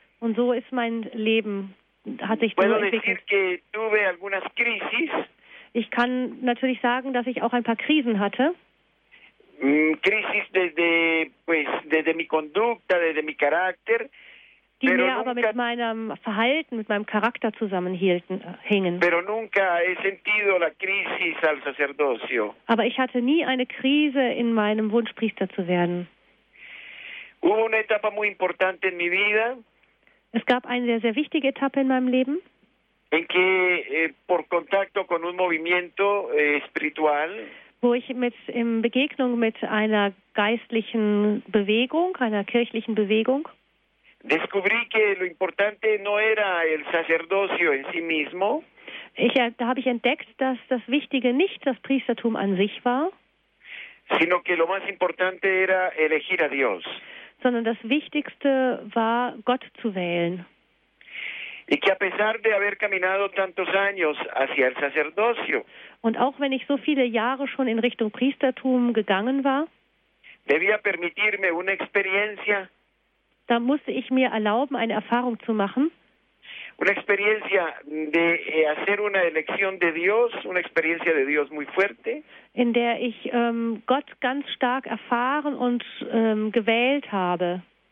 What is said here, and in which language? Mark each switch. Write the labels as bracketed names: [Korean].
[German] Und so ist mein Leben, hat sich [Spanish] puedo decir que tuve algunas crisis. [German] Ich kann natürlich sagen, dass ich auch ein paar Krisen hatte. [Spanish] Crisis desde mi conducta, desde mi carácter, [German] die mehr aber mit meinem Verhalten, mit meinem Charakter zusammenhingen. [Spanish] Pero nunca he sentido la crisis al sacerdocio. [German] Aber ich hatte nie eine Krise in meinem Wunsch, Priester zu werden. [Spanish] Hubo una etapa muy importante en mi vida. [German] Es gab eine sehr, sehr wichtige Etappe in meinem Leben. [Spanish] En que por contacto con un movimiento espiritual. [German] Wo ich in Begegnung mit einer geistlichen Bewegung, einer kirchlichen Bewegung, [Spanish] descubrí que lo importante no era el sacerdocio en sí mismo. [German] Da habe ich entdeckt, dass das Wichtige nicht das Priestertum an sich war, [Spanish] sino que lo más importante era elegir a Dios. [German] Sondern das Wichtigste war, Gott zu wählen. [Spanish] Y que a pesar de haber caminado tantos años hacia el sacerdocio, [German] und auch wenn ich so viele Jahre schon in Richtung Priestertum gegangen war, [Spanish] debía permitirme una experiencia, [German] da musste ich mir erlauben, eine Erfahrung zu machen, [Spanish] una experiencia de hacer una elección de Dios, una experiencia de Dios muy fuerte, [German] in der ich Gott ganz stark erfahren und gewählt habe.